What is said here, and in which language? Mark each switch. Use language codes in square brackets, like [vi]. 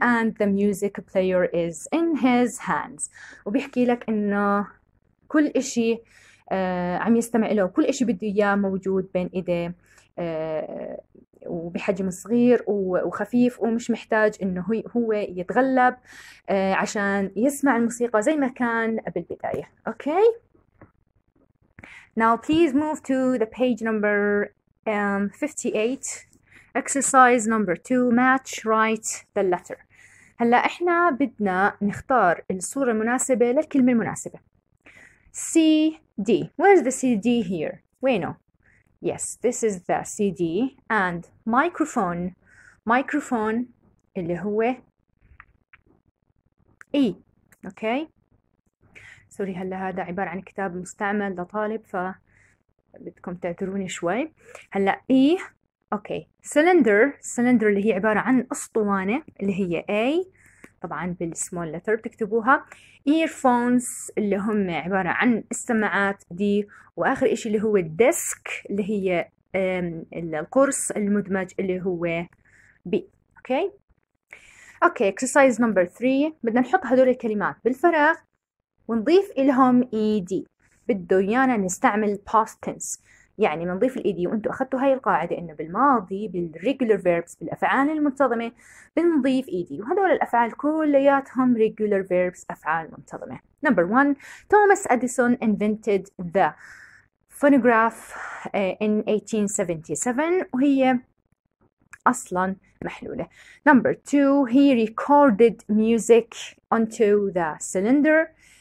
[en] And the music player is in his hands. [ar] وبيحكي لك إنه كل إشي عم يستمع له كل إشي بده إياه موجود بين إيديه وبحجم صغير وخفيف ومش محتاج إنه هو يتغلب عشان يسمع الموسيقى زي ما كان بالبداية. [en] Okay. Now please move to the page number 58. Exercise number 2, match write the letter. [ar] هلا احنا بدنا نختار الصورة المناسبة للكلمة المناسبة. [en] C D. Where's the C D here? وينه؟ Yes, this is the C D and microphone. [ar] Microphone اللي هو E. [en] Okay. [ar] سوري هلا هذا عبارة عن كتاب مستعمل لطالب ف بدكم تعذروني شوي. [en] هلا E. Okay, cylinder. [ar] Cylinder اللي هي عبارة عن أسطوانة اللي هي A. طبعاً بالsmall letter بتكتبوها. Earphones اللي هم عبارة عن السماعات D. وآخر إشي اللي هو desk اللي هي القرص المدمج اللي هو B. [en] Okay. Okay, exercise number 3. [ar] بدنا نحط هدول الكلمات بالفراغ ونضيف إلهم ED. بدو يانا نستعمل past tense. يعني منضيف الإيدي وأنتوا أخذتوا هاي القاعدة إنه بالماضي بالregular verbs بالأفعال المنتظمة بنضيف إيدي وهذول الأفعال كلياتهم regular verbs أفعال منتظمة. [en] Number one, Thomas Edison invented the phonograph in 1877 [ar] وهي أصلاً محلولة. [en] Number two, he recorded music onto the cylinder.